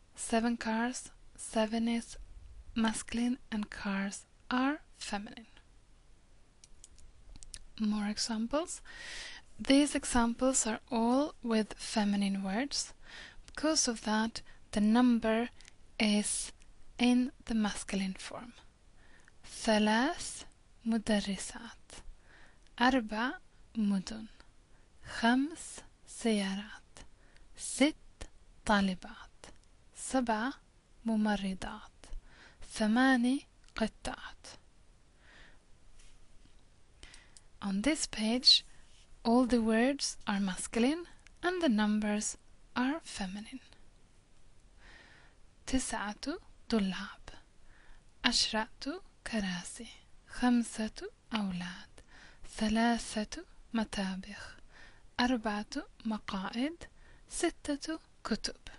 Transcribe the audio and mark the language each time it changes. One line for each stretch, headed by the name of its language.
English: 7 cars, 7 is masculine, and cars are feminine. More examples. These examples are all with feminine words. Because of that, the number is in the masculine form.
Arabic: ثلاث مدرسات أربع مدن خمس سيارات ست طالبات سبع ممرضات ثماني قطعات.
English: On this page, all the words are masculine and the numbers are feminine.
Arabic: تسعة طلاب عشرة كراسي خمسة أولاد ثلاثة مطابخ أربعة مقاعد ستة كتب.